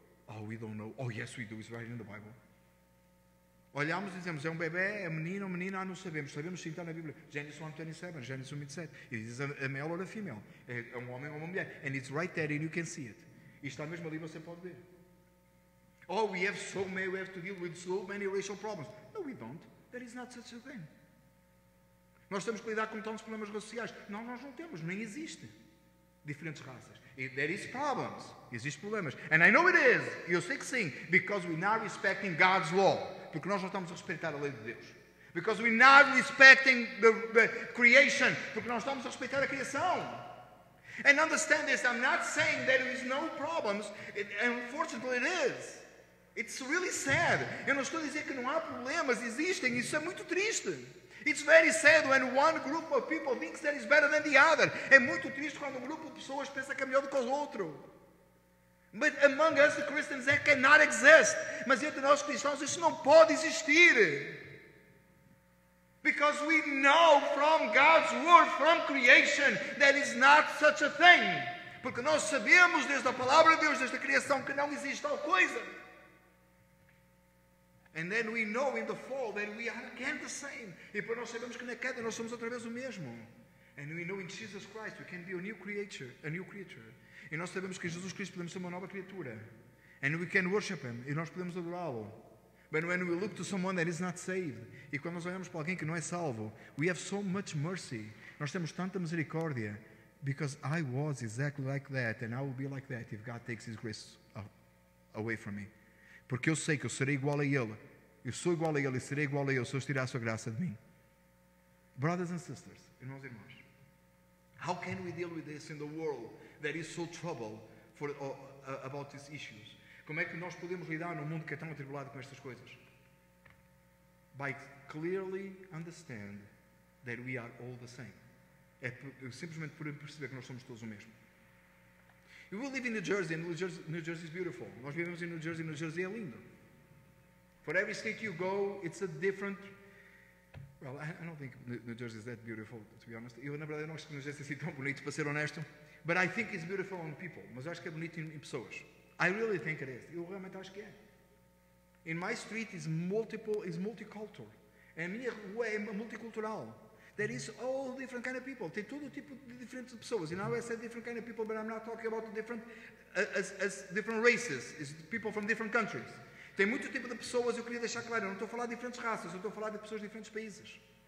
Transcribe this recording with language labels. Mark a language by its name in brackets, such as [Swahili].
[English] Oh, we don't know. Oh, yes, we do. It's right in the Bible. [Portuguese] Olhamos e dizemos, é um bebê, é menino ou menina, não sabemos. Sabemos sim, está na Bíblia. Genesis 1:27, Genesis 1:27. [English] It is a male or a female. [Portuguese] É um homem ou uma mulher. [English] And it's right there and you can see it. [Portuguese] E está mesmo ali, você pode ver. [English] Oh, we have so many, we have to deal with so many racial problems. No, we don't. There is not such a thing. [Portuguese] Nós temos que lidar com tantos problemas raciais. Não, nós não temos, nem existe. Diferentes raças. [English] There is problems. [Portuguese] Existem problemas. [English] And I know it is. [Portuguese] Eu sei que sim. [English] Because we're not respecting God's law. [Portuguese] Porque nós não estamos a respeitar a lei de Deus. [English] Because we're not respecting the creation. [Portuguese] Porque nós estamos a respeitar a criação. [English] And understand this. I'm not saying that there is no problems. Unfortunately, it is. It's really sad. [Portuguese] Eu não estou a dizer que não há problemas. Existem. Isso é muito triste. [English] It's very sad when one group of people thinks that is better than the other. [Portuguese] É muito triste quando grupo de pessoas pensa que é melhor do que o outro. [English] But among us the Christians that cannot exist. [Portuguese] Mas entre nós cristãos isso não pode existir. [English] Because we know from God's word, from creation, there is not such a thing. [Portuguese] Porque nós sabemos desde a palavra de Deus, desde a criação, que não existe tal coisa. [English] And then we know in the fall that we are again the same. [Portuguese] E por nós sabemos que na queda nós somos outra vez o mesmo. [English] And we know in Jesus Christ we can be a new creature. [Portuguese] E nós sabemos que em Jesus Cristo podemos ser uma nova criatura. [English] And we can worship Him. [Portuguese] E nós podemos adorá-lo. [English] But when we look to someone that is not saved, [Portuguese] e quando nós olhamos para alguém que não é salvo, [English] we have so much mercy. [Portuguese] Nós temos tanta misericórdia. [English] Because I was exactly like that and I will be like that if God takes His grace away from me. [Portuguese] Porque eu sei que eu serei igual a Ele. Eu sou igual a Ele e serei igual a Ele se eu tirar a sua graça de mim. [English] Brothers and sisters, [Portuguese] irmãos e irmãs, [English] how can we deal with this in the world that is so troubled about these issues? [Portuguese] Como é que nós podemos lidar num mundo que é tão atribulado com estas coisas? [English] By clearly understand that we are all the same. [Portuguese] É simplesmente por perceber que nós somos todos o mesmo. [English] We live in New Jersey, and New Jersey is beautiful. [Portuguese] Nós vivemos em New Jersey, New Jersey é lindo. [English] For every state you go, it's a different... Well, I don't think New Jersey is that beautiful, to be honest. [Portuguese] Eu, na verdade, não acho que New Jersey seja tão bonito, para ser honesto. [English] But I think it's beautiful on people. [Portuguese] Mas acho que é bonito em pessoas. [English] I really think it is. [Portuguese] Eu realmente acho que é. [English] In my street, it's multicultural. [Portuguese] A minha rua é multicultural. [English] There is all different kind of people. [Portuguese] Tem todo tipo de diferentes pessoas. [English] You know, I said different kind of people, but I'm not talking about different races. It's people from different countries. [Portuguese] Tem muito tipo de pessoas, eu queria deixar claro. Eu não estou a falar de diferentes raças, eu estou a falar de pessoas de diferentes países.